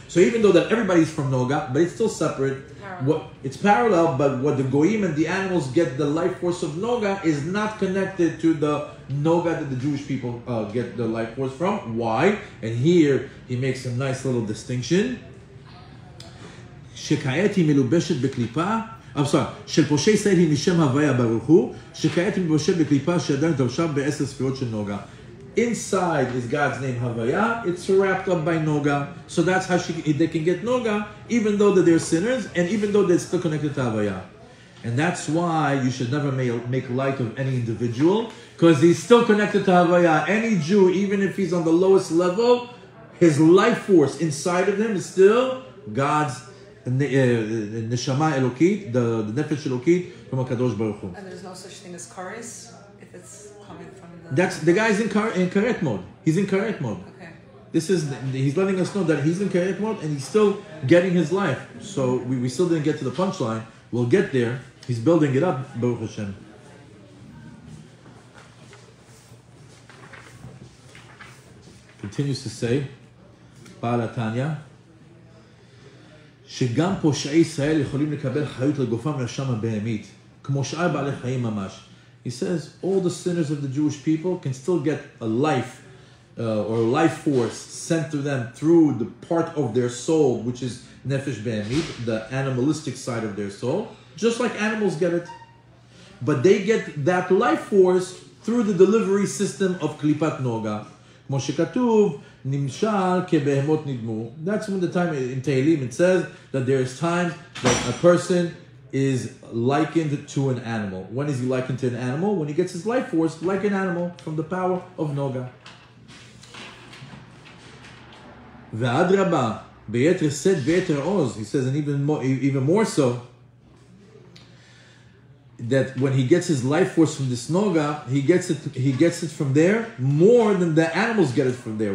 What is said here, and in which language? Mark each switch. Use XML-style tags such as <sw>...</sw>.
<en>So even though that everybody's from Noga, but it's still separate, it's parallel, but what the goyim and the animals get, the life force of Noga, is not connected to the Noga that the Jewish people get the life force from. Why? And here he makes a nice little distinction.</en> <he>שכעת היא מלובשת בקליפה,</he> <en>I'm sorry,</en> <he>של פושי ישראל היא משם הוויה ברוך הוא, שכעת היא מלובשת בקליפה שעדיין דרשה בעשר ספירות של נוגה.</he> <en>Inside is God's name Havaya. It's wrapped up by Noga. So that's how they can get Noga, even though that they're sinners, and even though they're still connected to Havaya. And that's why you should never make light of any individual, because he's still connected to Havaya. Any Jew, even if he's on the lowest level, his life force inside of him is still God's Neshama Elokit, the Nefesh Elokit from a Kadosh Baruch Hu. And there's no such thing as Karis if it's coming from the... That's the guy's in Karet mode. He's in Karet mode. Okay. This is, he's letting us know that he's in Karet mode and he's still getting his life. So we still didn't get to the punchline. We'll get there. He's building it up, Baruch Hashem. Continues to say,</en> <he>Baal HaTanya, שגם פושעי ישראל יכולים לקבל חיות לגופם לשם הבאמית, כמו שאר בעלי חיים ממש.</he> <en>He says, all the sinners of the Jewish people can still get a life or a life force sent to them through the part of their soul, which is Nefesh Behemit, the animalistic side of their soul, just like animals get it. But they get that life force through the delivery system of Klipat Noga.</en> <he>כמו שכתוב, נמשל כבהמות נדמו.</he> <en>That's when the time in Tehillim it says that there is time that a person is likened to an animal. When is he likened to an animal? When he gets his life force like an animal from the power of Noga.</en> <he>ואדרבה, ביתר שאת ביתר עוז,</he> <en>he says, and even more so, that when he gets his life force from this Noga, he gets it from there more than the animals get it from there.</en>